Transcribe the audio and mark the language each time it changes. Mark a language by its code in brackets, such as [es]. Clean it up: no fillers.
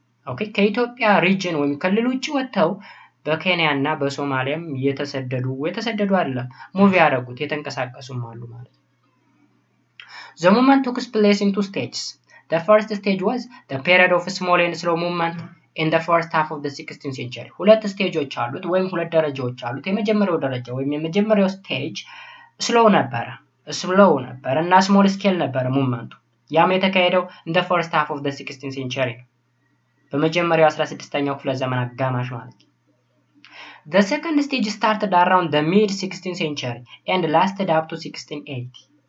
[am] Okay, ከኢትዮጵያ region ወይም ክልል ውጪ ወጥተው በኬንያና በሶማሊያም የተሰደዱ አይደለም ሙቭ ያረጉት የተንቀሳቀሱም አሉ ማለት ነው። [en] The movement took place in two stages. The first stage was the period of small and slow movement in the first half of the 16th century. [am] ሁለት ስቴጆች አሉት ወይም ሁለት ደረጃዎች አሉት። የመጀመሪያው ደረጃ ወይም የመጀመሪያው ስቴጅ slow ነበር እና [en] small scale [am] ነበር movement. ያም የተካሄደው [en] in the first half of the 16th century. [am] በመጀመሪያው 16ኛው ክፍለ ዘመን አጋማሽ ማለት ነው። [en] The second stage started around the mid 16th century and lasted up to 1680.